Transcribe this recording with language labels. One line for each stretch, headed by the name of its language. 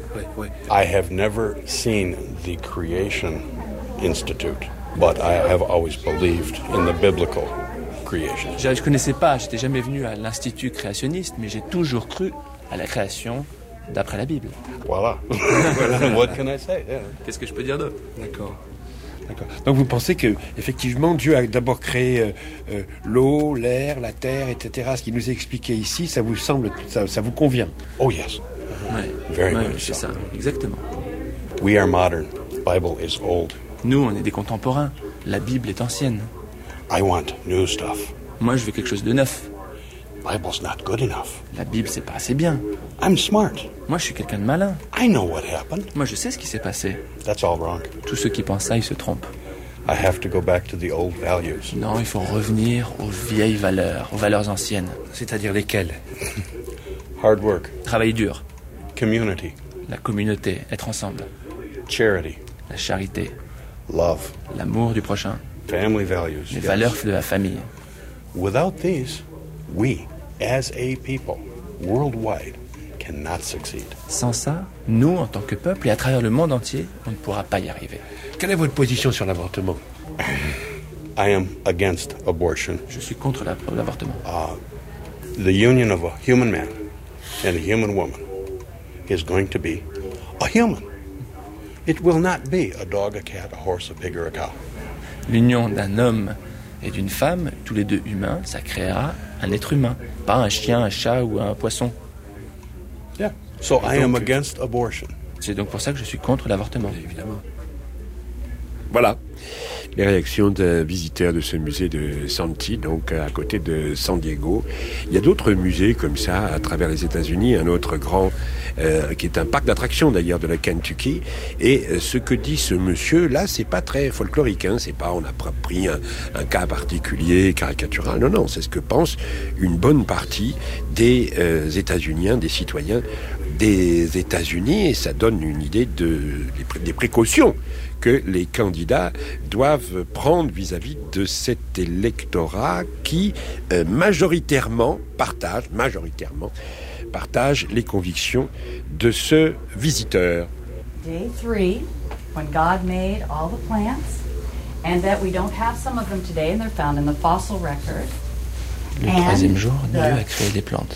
French: Oui, oui.
English: I have never seen the Creation Institute, but I have always believed in the biblical creation.
French: Je ne connaissais pas, j'étais jamais venu à l'Institut créationniste, mais j'ai toujours cru à la création d'après la Bible. Voilà.
English: What can I say? Yeah.
French: Qu'est-ce que je peux dire d'autre? D'accord. D'accord. Donc vous pensez que effectivement Dieu a d'abord créé l'eau, l'air, la terre, etc. Ce qu'il nous a expliqué ici, ça vous semble, ça vous convient?
English: Oh yes.
French: Ouais. Very ouais, much. C'est so. Ça. Exactement.
English: We are modern. Bible is old.
French: Nous, on est des contemporains. La Bible est ancienne.
English: I want new stuff.
French: Moi, je veux quelque chose de neuf.
English: Bible's not good enough.
French: La Bible, c'est pas assez bien.
English: I'm smart.
French: Moi, je suis quelqu'un de malin.
English: I know what happened.
French: Moi, je sais ce qui s'est passé.
English: That's all wrong.
French: Tous ceux qui pensent ça, ils se trompent.
English: I have to go back to the old values.
French: Non, il faut revenir aux vieilles valeurs, aux valeurs anciennes. C'est-à-dire lesquelles?
English: Hard work.
French: Travail dur.
English: Community.
French: La communauté, être ensemble.
English: Charity.
French: La charité.
English: Love.
French: L'amour du prochain.
English: Family values.
French: Les valeurs de la famille.
English: Without these, we, as a people, worldwide, cannot succeed.
French: Sans ça, nous, en tant que peuple et à travers le monde entier, on ne pourra pas y arriver. Quelle est votre position sur l'avortement?
English: I am against abortion.
French: Je suis contre l'avortement.
English: The union of a human man and a human woman is going to be a human. It will not be a dog, a cat, a horse, a pig or a cow.
French: L'union d'un homme et d'une femme, tous les deux humains, ça créera un être humain, pas un chien, un chat ou un poisson.
English: Yeah. So donc, I am against abortion.
French: C'est donc pour ça que je suis contre l'avortement. Oui, évidemment. Voilà les réactions d'un visiteur de ce musée de Santee, donc à côté de San Diego. Il y a d'autres musées comme ça à travers les États-Unis, un autre grand qui est un parc d'attractions d'ailleurs de la Kentucky. Et ce que dit ce monsieur là, c'est pas très folklorique, hein. C'est pas on a pris un cas particulier, caricatural. Non, non, c'est ce que pense une bonne partie des États-Uniens, des citoyens des États-Unis, et ça donne une idée des précautions que les candidats doivent prendre vis-à-vis de cet électorat qui majoritairement partage les convictions de ce visiteur.
English: Day 3, when God made all the plants, and that we don't have some of them today, and they're found in the fossil record.
French: Le troisième jour, Dieu a créé des plantes.